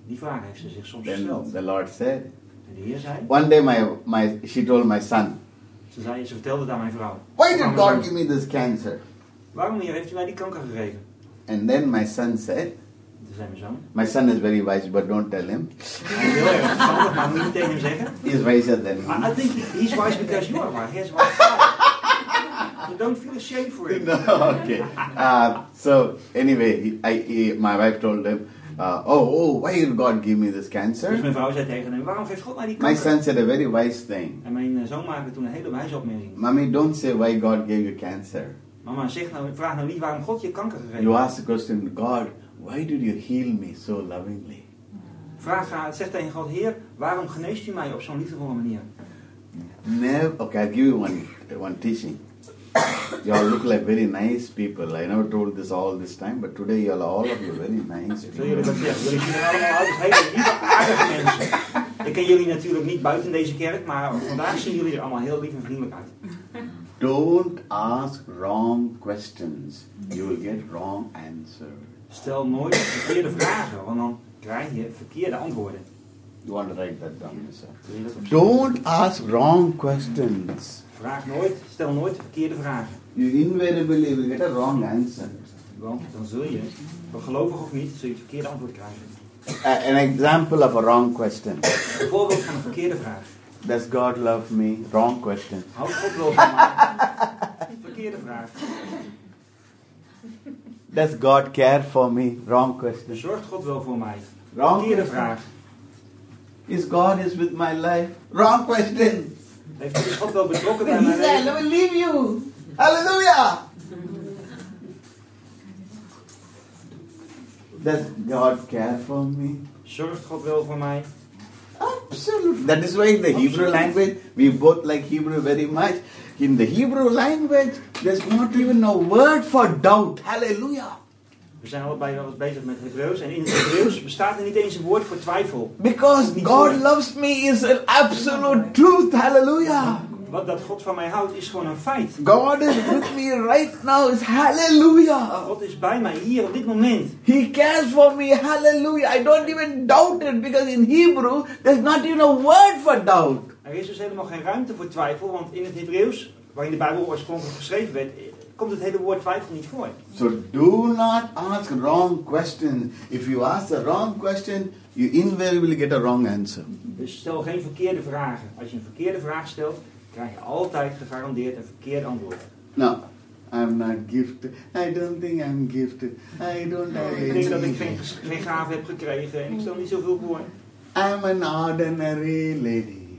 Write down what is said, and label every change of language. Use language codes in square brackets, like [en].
[nl] Die vraag heeft ze zich soms [en] then [nl] gesteld. [en] The Lord said. [nl] En de Heer zei. [en] One day she told my son. [nl] Ze vertelde het aan mijn vrouw. [en] Why did God give me this cancer? [nl] Waarom Heer heeft u mij die kanker gegeven? [en] And then my son said. [nl] Ze zei mijn zoon. [en] My son is very wise, but don't tell him. [nl] Hij is heel erg verstandig, maar moet niet tegen hem zeggen. [en] He is wiser than me. I think he's wise because you are wise. He is wise. So don't feel ashamed for it. No, okay. So anyway, my wife told him. Why did God give me this cancer? [nl] Dus mijn vrouw zei tegen hem, waarom heeft God mij die kanker? [en] My son said a very wise thing. [nl] En mijn zoon maakte toen een hele wijze opmerking. [en] Mommy, don't say why God gave you cancer. [nl] Mama, zeg nou, vraag nou niet waarom God je kanker gegeven. [en] You ask the question, God, why did you heal me so lovingly? [nl] Zeg tegen God, Heer, waarom geneest u mij op zo'n liefdevolle manier? [en] Okay, I'll give you one teaching. You all look like very nice people. I never told this all this time, but today you all of you are very nice people. [nl] Ik zie jullie allemaal altijd hele lieve, aardige mensen. Ik ken jullie natuurlijk niet buiten deze kerk, maar vandaag zien jullie er allemaal heel lief en vriendelijk uit. [en] Don't ask wrong questions. You will get wrong answers. [nl] Stel nooit verkeerde vragen, want dan krijg je verkeerde antwoorden. [en] You want to write that down, sir. Don't ask wrong questions. [nl] Vraag nooit, stel nooit verkeerde vragen. [en] You invariably will get a wrong answer. [nl] Want dan zul je, gelovig of niet, zul je het verkeerde antwoord krijgen. [en] An example of a wrong question. [nl] Een voorbeeld van een verkeerde vraag. [en] Does God love me? Wrong question. [nl] Houd God wel van mij? Verkeerde vraag. [en] Does God care for me? Wrong question. [nl] Zorgt God wel voor mij? [en] Wrong [nl] Verkeerde vraag. [en] Is God is with my life? Wrong question. [nl] Heeft God wel betrokken bij mijn leven? [en] He said, I will leave you. Hallelujah. Does God care for me? [nl] Zorgt God wel voor mij? [en] Absolutely. That is why in the Hebrew language, we both like Hebrew very much. In the Hebrew language, there's not even a word for doubt. Hallelujah. [nl] We zijn allebei wel eens bezig met Hebreeuws. En in het Hebreeuws bestaat er niet eens een woord voor twijfel. [en] Because God loves me is an absolute truth. Hallelujah. [nl] Wat dat God van mij houdt is gewoon een feit. [en] God is with me right now is hallelujah. [nl] God is bij mij hier op dit moment. [en] He cares for me, hallelujah. I don't even doubt it because in Hebrew there's not even a word for doubt. [nl] Er is dus helemaal geen ruimte voor twijfel, want in het Hebreeuws, waarin de Bijbel oorspronkelijk geschreven werd, komt het hele woord twijfel niet voor. [en] So do not ask wrong questions. If you ask the wrong question, you invariably get a wrong answer. [nl] Dus stel geen verkeerde vragen. Als je een verkeerde vraag stelt, krijg je altijd gegarandeerd een verkeerd antwoord. [en] No, I'm not gifted. I don't think I'm gifted. I don't know. [nl] Ik denk dat ik geen gave heb gekregen en ik stel niet zoveel voor. [en] I'm an ordinary lady.